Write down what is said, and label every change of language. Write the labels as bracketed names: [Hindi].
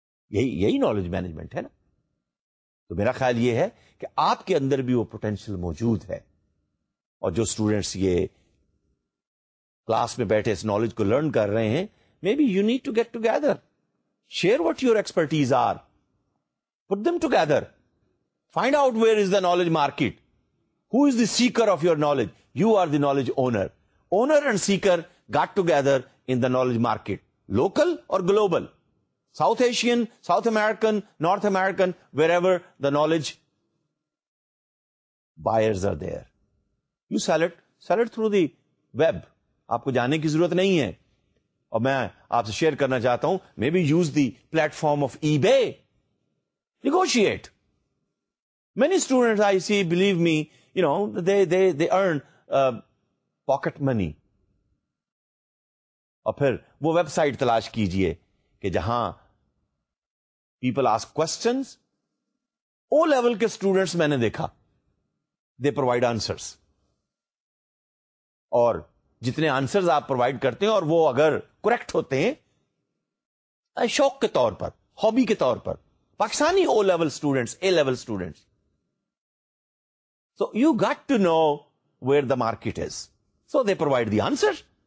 [Urdu] یہی knowledge management ہے نا. تو میرا خیال یہ ہے کہ آپ کے اندر بھی وہ پوٹینشیل موجود ہے, اور جو اسٹوڈینٹس یہ کلاس میں بیٹھے اس نالج کو لرن کر رہے ہیں, [English] Maybe you need to get together, share what your expertise are, put them together, find out where is the knowledge market, who is the seeker of your knowledge, you are the knowledge owner. Owner and seeker got together in the knowledge market, local اور global, South Asian, South American, North American, wherever the knowledge buyers are there. You sell it, sell it through the web. [Urdu] آپ کو جانے کی ضرورت نہیں ہے. اور میں آپ سے شیئر کرنا چاہتا ہوں, [English] Maybe use the platform of eBay, negotiate. Many student I see, believe me, you know they earn pocket money. [Urdu] اور پھر وہ ویب سائٹ تلاش کیجئے کہ جہاں [English] People ask questions. [Urdu] O level کے اسٹوڈنٹس میں نے دیکھا, [English] They provide answers. [Urdu] اور جتنے آنسرز آپ پرووائڈ کرتے ہیں اور وہ اگر کریکٹ ہوتے ہیں شوق کے طور پر, ہابی کے طور پر, Pakistani O level students, a level students, [English] So you got to know where the market is, so they provide the answer.